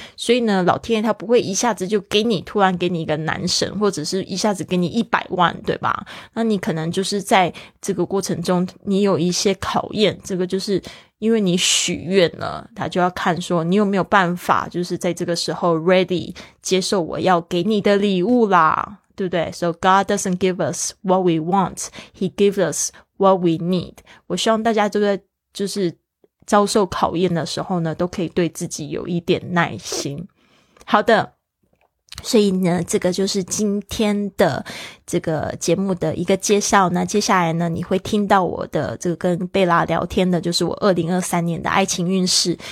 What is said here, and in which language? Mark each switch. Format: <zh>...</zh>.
<zh>所以呢老天爷他不会一下子就给你突然给你一个男神，或者是一下子给你100万，对吧？那你可能就是在这个过程中你有一些考验，这个就是因为你许愿了，他就要看说你有没有办法就是在这个时候 ready 接受我要给你的礼物啦，对不对？</zh> <en>So God doesn't give us what we want, He gives us what we need。</en> <zh>我希望大家就在就是遭受考验的时候呢，都可以对自己有一点耐心。好的，所以呢，这个就是今天的这个节目的一个介绍。那接下来呢，你会听到我的这个跟贝拉聊天的，就是我2023年的爱情运势。</zh>